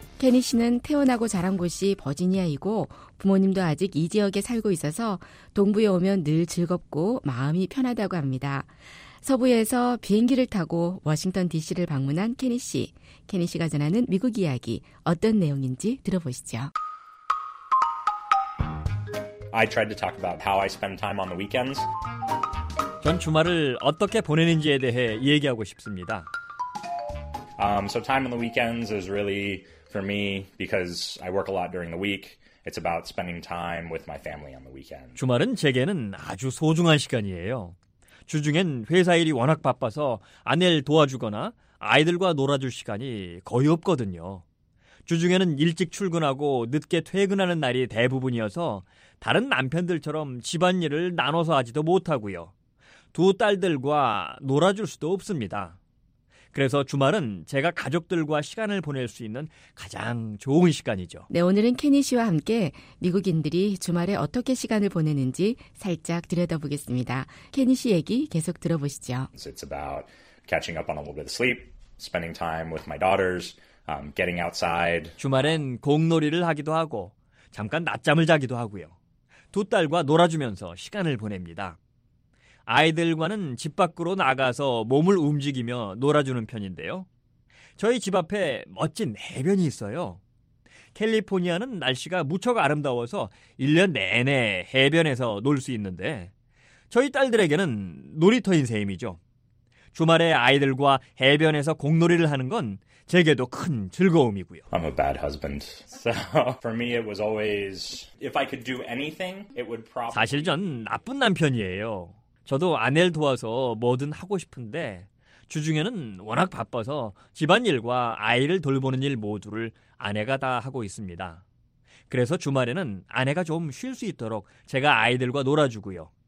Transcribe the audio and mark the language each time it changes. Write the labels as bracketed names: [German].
[Korean] 케니 씨는 태어나고 자란 곳이 버지니아이고 부모님도 아직 이 지역에 살고 있어서 동부에 오면 늘 즐겁고 마음이 편하다고 합니다. 서부에서 비행기를 타고 워싱턴 DC를 방문한 케니 씨. 케니 씨가 전하는 미국 이야기 어떤 내용인지 들어보시죠. [English] I tried to talk about how I spend time on the weekends. [Korean] 전 주말을 어떻게 보내는지에 대해 얘기하고 싶습니다. [English] So time on the weekends is really for me because I work a lot during the week. It's about spending time with my family on the weekend. [Korean] 주말은 제게는 아주 소중한 시간이에요. 주중엔 회사 일이 워낙 바빠서 아내를 도와주거나 아이들과 놀아줄 시간이 거의 없거든요. 주중에는 일찍 출근하고 늦게 퇴근하는 날이 대부분이어서 다른 남편들처럼 집안일을 나눠서 하지도 못하고요. 두 딸들과 놀아줄 수도 없습니다. 그래서 주말은 제가 가족들과 시간을 보낼 수 있는 가장 좋은 시간이죠. 네, 오늘은 케니 씨와 함께 미국인들이 주말에 어떻게 시간을 보내는지 살짝 들여다보겠습니다. 케니 씨 얘기 계속 들어보시죠. [English] It's about catching up on a little bit of sleep, spending time with my daughters, getting outside. [Korean] 주말엔 공놀이를 하기도 하고 잠깐 낮잠을 자기도 하고요. 두 딸과 놀아주면서 시간을 보냅니다. 아이들과는 집 밖으로 나가서 몸을 움직이며 놀아주는 편인데요. 저희 집 앞에 멋진 해변이 있어요. 캘리포니아는 날씨가 무척 아름다워서 1년 내내 해변에서 놀 수 있는데 저희 딸들에게는 놀이터인 셈이죠. 주말에 아이들과 해변에서 공놀이를 하는 건 제게도 큰 즐거움이고요. [English] I'm a bad husband. So for me it was always if I could do anything it would probably [Korean] 사실 전 나쁜 남편이에요. 저도 아내를 도와서 뭐든 하고 싶은데 주중에는 워낙 바빠서 집안일과 아이를 돌보는 일 모두를 아내가 다 하고 있습니다. 그래서 주말에는 아내가 좀 쉴 수 있도록 제가 아이들과 놀아주고요.